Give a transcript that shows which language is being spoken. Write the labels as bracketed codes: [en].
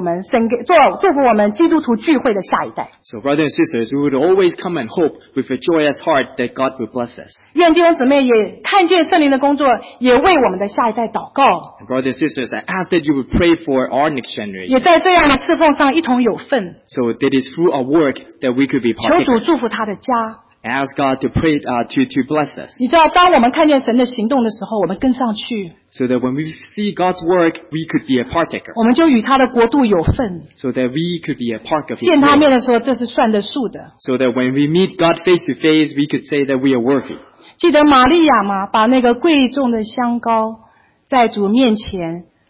[zh] 所以弟兄姊妹，我们是欢欢喜喜，带着盼望，愿神圣灵能够自由的运作，祝福我们神给祝福我们基督徒聚会的下一代。 [en] So brothers and sisters, we would always come and hope with a joyous heart that God will bless us. [zh] 愿弟兄姊妹也看见圣灵的工作，也为我们的下一代祷告。 [en] Brothers and sisters, I ask that you would pray for our next generation. [zh] 也在这样的侍奉上一同有份。 [en] So that is through our work that we could be partakers. [zh] 求主祝福他的家。 [en] Ask God to pray to bless us. [zh] 你知道，当我们看见神的行动的时候，我们跟上去。 [en] So that when we see God's work, we could be a partaker. [zh] 我们就与他的国度有份。 [en] So that we could be a part of His. [zh] 见他面的时候，这是算得数的。 [en] So that when we meet God face to face, we could say that we are worthy. [zh] 记得玛利亚吗？把那个贵重的香膏在主面前。